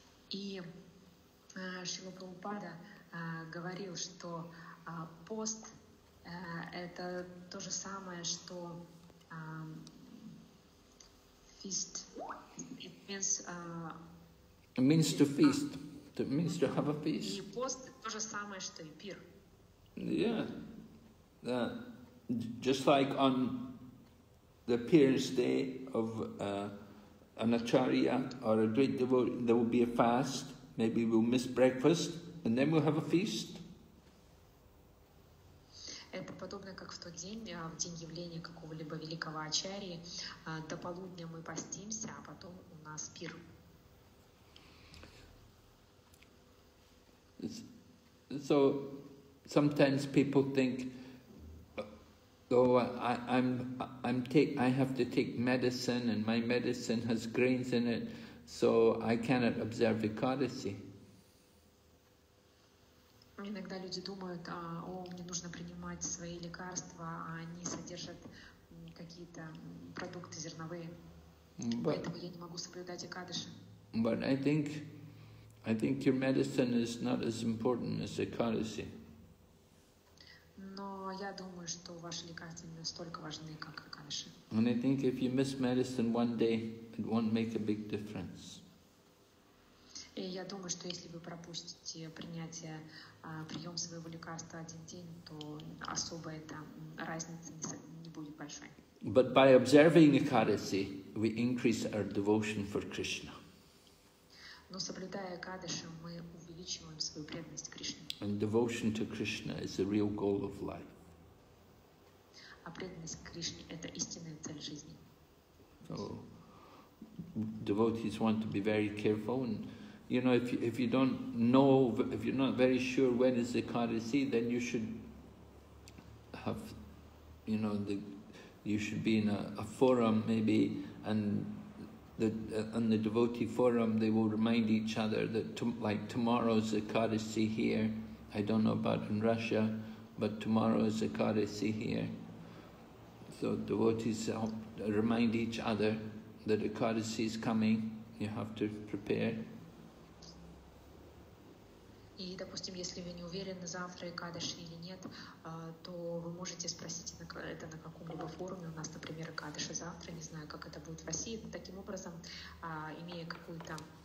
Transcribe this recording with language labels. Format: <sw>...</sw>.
<ru>И Шрила Прабхупада говорил, что пост это то же самое, что feast.</ru> <en>It means it means to feast. It means to have a feast.</en> <ru>И пост то же самое, что и пир.</ru> <en>Yeah. Just like on the appearance day of an acharya or a great devotee, there will be a fast. Maybe we'll miss breakfast and then we'll have a feast.</en> <ru>Это подобно, как в тот день, в день явления какого-либо великого ачарьи, до полудня мы постимся, а потом у нас пир.</ru> <en>So sometimes people think, I have to take medicine and my medicine has grains in it, so I cannot observe Ekadasi.</en> <ru>Иногда люди думают, мне нужно принимать свои лекарства, а они содержат какие-то продукты зерновые, поэтому я не могу соблюдать Экадаши.</ru> <en>But I think your medicine is not as important as Ekadasi.</en> <ru>Но я думаю, что ваши лекарства не настолько важны, как Экадаши.</ru> <en>And I think if you miss medicine one day, it won't make a big difference.</en> <ru>И я думаю, что если вы пропустите принятие, прием своего лекарства один день, то особо эта разница не будет большой.</ru> <en>But by observing Ekadasi, we increase our devotion for Krishna.</en> <ru>Но соблюдая Экадаши, мы увеличиваем свою преданность Кришне.</ru> <en>And devotion to Krishna is the real goal of life.</en> <ru>А преданность Кришне – это истинная цель жизни.</ru> <en>So, devotees want to be very careful. And you know, if you don't know, if you're not very sure when is the Ekadasi, then you should have, you know, you should be in a forum maybe, and the devotee forum, they will remind each other that tomorrow's the Ekadasi here. I don't know about in Russia, but tomorrow is the Ekadasi here. So devotees help remind each other that the Ekadasi is coming. You have to prepare.</en> <ru>И, допустим, если вы не уверены, завтра Экадаши или нет, то вы можете спросить это на каком-либо форуме. У нас, например, Экадаши завтра, не знаю, как это будет в России. Таким образом, имея какую-то...</ru>